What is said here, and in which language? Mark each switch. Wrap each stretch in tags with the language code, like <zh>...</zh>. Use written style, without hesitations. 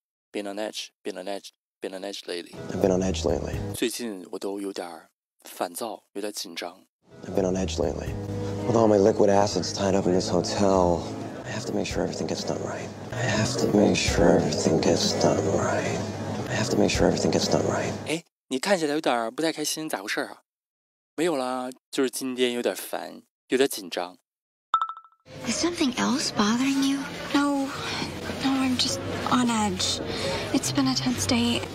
<en>Been on edge, been on edge, been on edge lately. I've been on edge lately.</en> <zh>最近我都有点烦躁，有点紧张。</zh> <en>I've been on edge lately. With all my liquid acids tied up in this hotel, I have to make sure everything gets done right. I have to make sure everything gets done right. I have to make sure everything gets done right.</en> <zh>哎，你看起来有点不太开心，咋回事啊？没有啦，就是今天有点烦。有点紧张。</zh> <en>Is something else bothering you? No, no, I'm just on edge. It's been a tense day.</en>